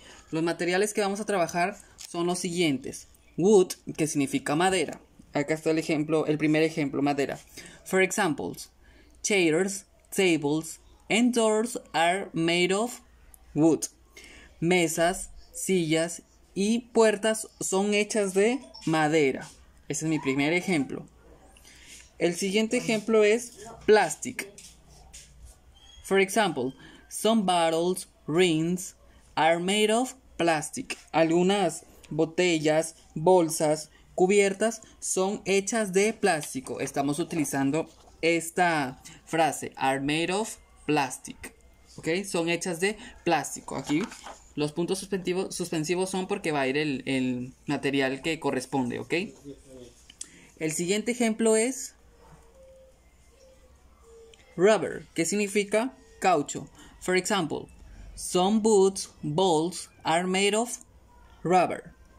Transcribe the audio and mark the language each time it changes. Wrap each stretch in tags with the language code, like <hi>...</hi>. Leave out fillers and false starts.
<es>Los materiales que vamos a trabajar son los siguientes. Wood, que significa madera. Acá está el primer ejemplo, madera.</es> <en>For examples, chairs, tables, and doors are made of wood.</en> <es>Mesas, sillas y puertas son hechas de madera. Ese es mi primer ejemplo. El siguiente ejemplo es plastic.</es> <en>For example, some bottles, rings are made of plastic.</en> <es>Algunas botellas, bolsas, cubiertas son hechas de plástico. Estamos utilizando esta frase,</es> <en>are made of plastic.</en> <es>¿Ok? Son hechas de plástico. Aquí los puntos suspensivos son porque va a ir el material que corresponde. ¿Ok? El siguiente ejemplo es rubber, que significa caucho.</es> <en>For example, some boots, balls are made of rubber.</en>